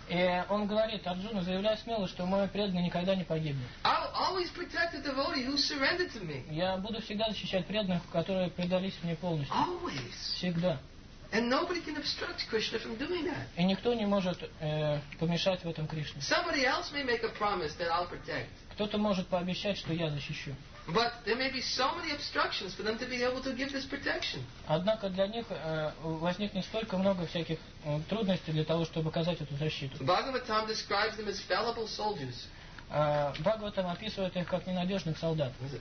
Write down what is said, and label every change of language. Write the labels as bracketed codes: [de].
[ru] И он говорит, Арджуна, заявляй смело, что мой преданный никогда не погибнет. [en] I'll always protect the devotee who surrendered to me. [ru] Я буду всегда защищать преданных, которые предались мне полностью. [en] Always. [ru] Всегда. [en] And nobody can obstruct Krishna from doing that. [ru] И никто не может помешать в этом Кришне. [en] Somebody else may make a promise that I'll protect. [ru] Кто-то может пообещать, что я защищу. [en] But there may be so many obstructions for them to be able to give this protection. [ru] Однако для них возникнет столько много всяких трудностей для того, чтобы оказать эту защиту. [en] Bhagavatam describes them as fallible soldiers. [ru] Бхагаватам описывает их как ненадежных солдат.